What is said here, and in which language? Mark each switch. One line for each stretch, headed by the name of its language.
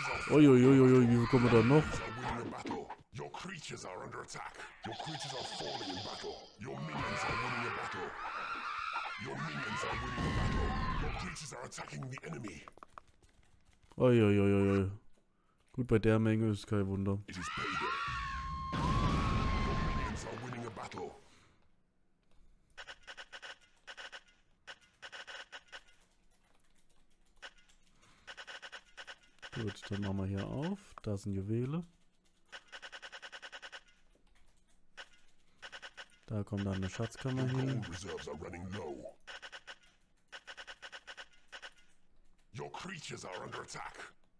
German: Uiuiuiui, wie viel kommen wir da noch?
English: Your creatures are under attack. Your creatures are falling in battle. Your minions are winning a battle. Your minions are winning a battle. Your creatures are attacking the enemy. Uiuiuiui.
German: Gut, bei der Menge ist kein Wunder.
English: It is payday. Your minions are winning a battle.
German: Gut, dann machen wir hier auf. Da sind Juwele. Da kommt dann eine Schatzkammer hin.
English: Your reserves are running low. Your creatures are under attack.